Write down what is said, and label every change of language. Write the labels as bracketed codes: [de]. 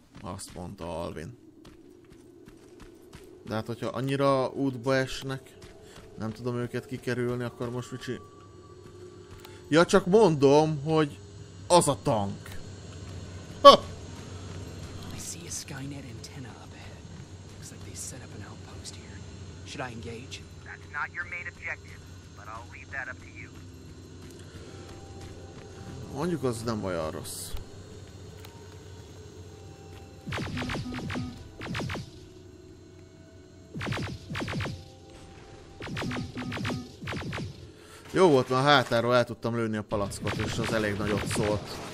[hu] Azt mondta Alvin. De hát hogyha annyira útba esnek, nem tudom őket kikerülni, akkor most micsi... Ja, csak mondom, hogy az a tank. [en] I see a Skynet antenna up ahead. Looks like they set up an outpost here. Should I engage? That's not your main objective, but I'll leave that up to you. [hu] Mondjuk az nem olyan rossz. Jó volt, mert a hátáról el tudtam lőni a palackot, és az elég nagyot szólt.